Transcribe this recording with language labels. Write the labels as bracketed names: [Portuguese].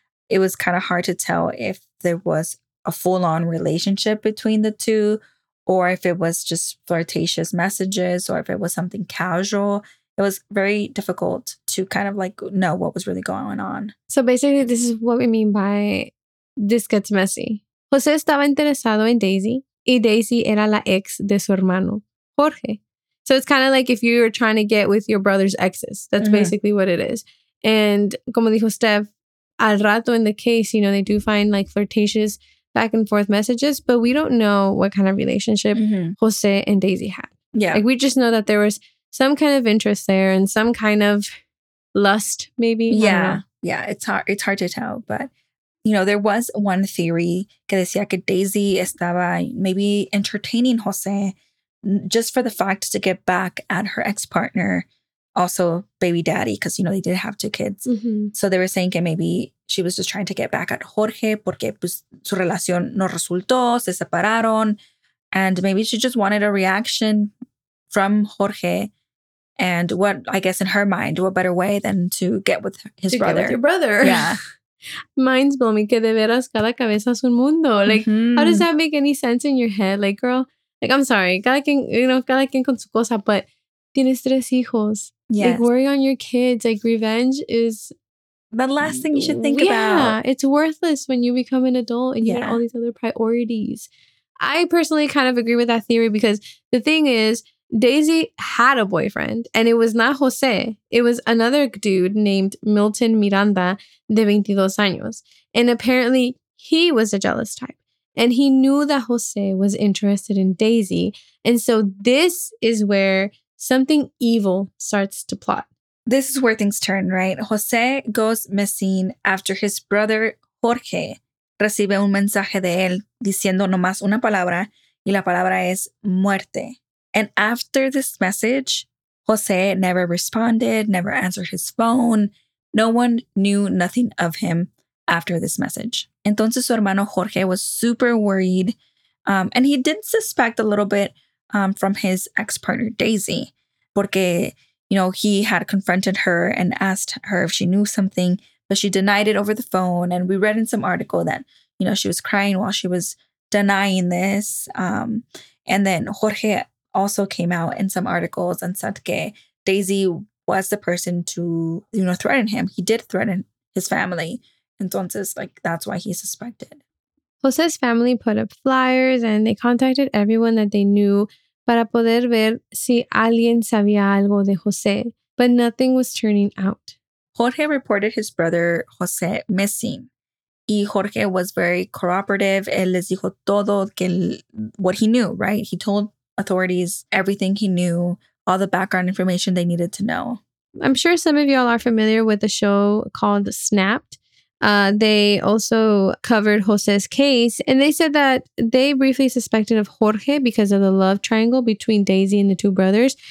[English] It was kind of hard to tell if there was a full-on relationship between the two, or if it was just flirtatious messages, or if it was something casual. It was very difficult to kind of like know what was really going on. So basically, this is what we mean by this gets messy. [Spanish] Jose estaba interesado en Daisy, y Daisy era la ex de su hermano, Jorge. [English] So it's kind of like if you were trying to get with your brother's exes. That's mm-hmm. basically what it is. And [Spanish] como dijo Steph, al rato [English] in the case, you know, they do find like flirtatious back and forth messages, but we don't know what kind of relationship mm-hmm. Jose and Daisy had. Yeah. Like, we just know that there was some kind of interest there and some kind of lust, maybe. Yeah. Yeah. It's hard to tell. But, you know, there was one theory [Spanish] que decía que Daisy estaba [English] maybe entertaining Jose just for the fact to get back at her ex-partner, also baby daddy, because, you know, they did have two kids. Mm-hmm. So they were saying que maybe she was just trying to get back at Jorge [Spanish] porque pues, su relación no resultó, se separaron. [English] And maybe she just wanted a reaction from Jorge. And what, I guess in her mind, what better way than to get with his to brother. Get with your brother. Yeah. Mind's blowing. [Spanish] Que de veras cada cabeza es un mundo. [English] Like, mm-hmm. how does that make any sense in your head? Like, girl, like, I'm sorry. [Spanish] Cada quien, [English] you know, [Spanish] cada quien con su cosa, but tienes tres hijos. [English] Yes. Like, worry on your kids. Like, revenge is... the last thing you should think about. Yeah, it's worthless when you become an adult and you have all these other priorities. I personally kind of agree with that theory because the thing is, Daisy had a boyfriend and it was not Jose. It was another dude named Milton Miranda [Spanish] de 22 años. [English] And apparently he was a jealous type. And he knew that Jose was interested in Daisy. And so this is where something evil starts to plot. This is where things turn, right? Jose goes missing after his brother, [Spanish] Jorge, recibe un mensaje de él diciendo nomás una palabra, y la palabra es muerte. [English] And after this message, Jose never responded, never answered his phone. No one knew nothing of him after this message. [Spanish] Entonces, su hermano [English] Jorge was super worried, and he did suspect a little bit from his ex-partner, Daisy. porque, you know, he had confronted her and asked her if she knew something, but she denied it over the phone. And we read in some article that, you know, she was crying while she was denying this. And then Jorge also came out in some articles and said que Daisy was the person to, you know, threaten him. He did threaten his family. Entonces, like, that's why he suspected. Jose's family put up flyers and they contacted everyone that they knew [Spanish] para poder ver si alguien sabía algo de Jose, [English] but nothing was turning out. Jorge reported his brother Jose missing. Y Jorge was very cooperative. [Spanish] Él les dijo todo que [English] what he knew, right? He told authorities everything he knew, all the background information they needed to know. I'm sure some of y'all are familiar with a show called Snapped. They also covered Jose's case, and they said that they briefly suspected of Jorge because of the love triangle between Daisy and the two brothers.